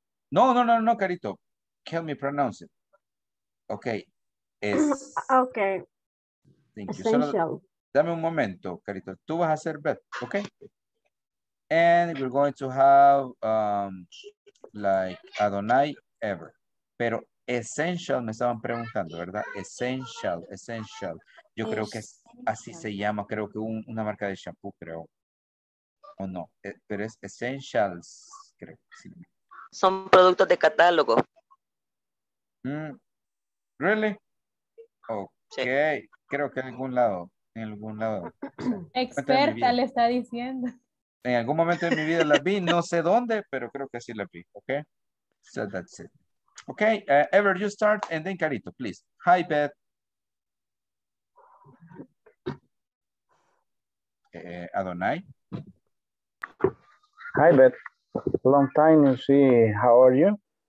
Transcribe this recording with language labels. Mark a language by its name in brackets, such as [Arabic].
[English] No, no, no, no, Carito. Help me pronounce it. Okay. Okay. Thank you. [Spanish] Essential. Solo, dame un momento, Carito. Tú vas a hacer Beth, okay? [English] And we're going to have like Adonai ever. [Spanish] Pero essential me estaban preguntando, ¿verdad? Essential, essential. Yo creo que es, así se llama, creo que una marca de shampoo, creo. O no, pero es essentials, creo. Sí. Son productos de catálogo. [English] Really? Okay. [Spanish] Sí. Creo que en algún lado. Experta le está diciendo. En algún momento de mi vida la vi, no sé dónde, pero creo que sí la vi, okay? [English] So that's it. Okay, Ever, you start, and then Carito, please. Hi, Beth. Adonai. Hi, Beth. Long time, you see. How are you?